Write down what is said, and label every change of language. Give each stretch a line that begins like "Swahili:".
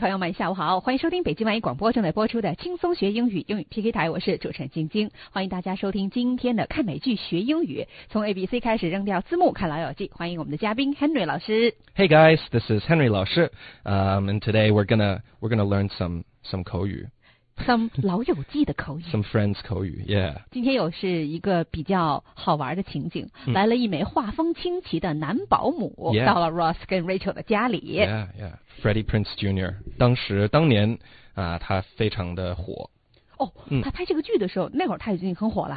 Chinese: 朋友们下午好，欢迎收听北京万一广播正在播出的轻松学英语英语 PK 台，我是主持人晶晶，欢迎大家收听今天的看美剧学英语，从 ABC 开始，扔掉字幕看老友记。欢迎我们的嘉宾 Henry 老师。
English: Hey guys, this is Henry 老师、and today we're gonna learn some 口语
Chinese: some 老友记的口语
English: some friends 口语 yeah
Chinese: 今天有是一个比较好玩的情景、mm. 来了一枚画风清奇的男保姆、
English: yeah.
Chinese: 到了 Ross 跟 Rachel 的家里
English: yeah yeah
Chinese: Freddie Prinze Jr. 当年、他非常的火哦、
English: oh, mm.
Chinese: 他拍这个剧的时候那会儿他已经很火了